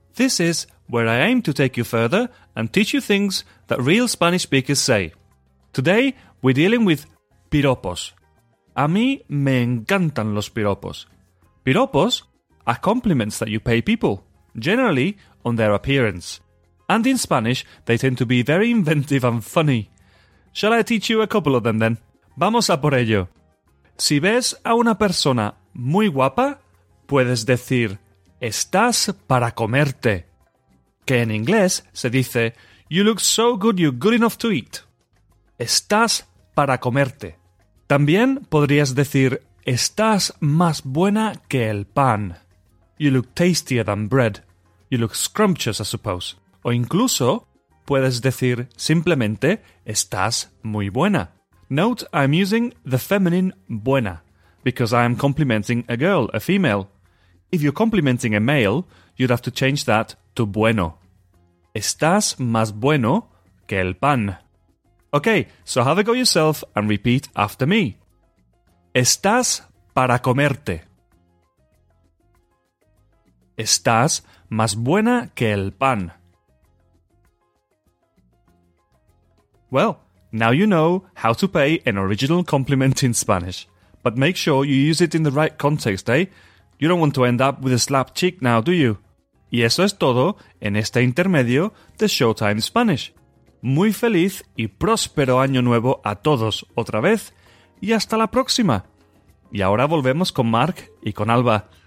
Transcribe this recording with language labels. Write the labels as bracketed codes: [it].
[en] This is where I aim to take you further and teach you things that real Spanish speakers say. Today we're dealing with piropos. [es] A mí me encantan los piropos. [en] Piropos are compliments that you pay people, generally on their appearance. And in Spanish, they tend to be very inventive and funny. Shall I teach you a couple of them then? [es] Vamos a por ello. Si ves a una persona muy guapa, puedes decir, estás para comerte. Que en inglés se dice, [en] you look so good, you're good enough to eat. [es] Estás para comerte. También podrías decir, estás más buena que el pan. [en] You look tastier than bread. You look scrumptious, I suppose. [es] O incluso, puedes decir simplemente, estás muy buena. [en] Note, I'm using the feminine buena, because I am complimenting a girl, a female. If you're complimenting a male, you'd have to change that to bueno. [es] Estás más bueno que el pan. [en] Okay, so have a go yourself and repeat after me. [es] Estás para comerte. Estás más buena que el pan. [en] Well, now you know how to pay an original compliment in Spanish. But make sure you use it in the right context, eh? You don't want to end up with a slap cheek now, do you? [es] Y eso es todo en este intermedio de Showtime Spanish. Muy feliz y próspero año nuevo a todos otra vez y hasta la próxima. Y ahora volvemos con Mark y con Alba.